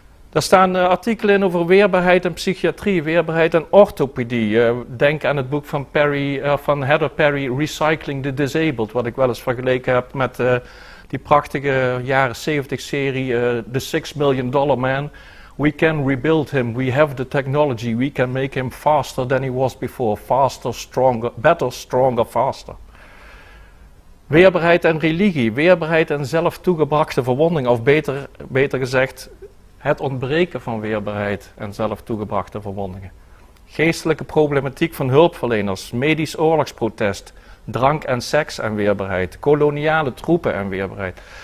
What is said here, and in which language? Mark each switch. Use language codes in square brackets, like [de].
[nl] Daar staan artikelen in over weerbaarheid en psychiatrie, weerbaarheid en orthopedie. Denk aan het boek van Perry, van Heather Perry, Recycling the Disabled, wat ik wel eens vergeleken heb met die prachtige jaren 70 serie The Six Million Dollar Man. [en] We can rebuild him, we have the technology, we can make him faster than he was before. Faster, stronger, better, stronger, faster. [nl] Weerbaarheid en religie, weerbaarheid en zelf toegebrachte verwonding, of beter gezegd, het ontbreken van weerbaarheid en zelf toegebrachte verwondingen. Geestelijke problematiek van hulpverleners, medisch oorlogsprotest, drank en seks en weerbaarheid, koloniale troepen en weerbaarheid.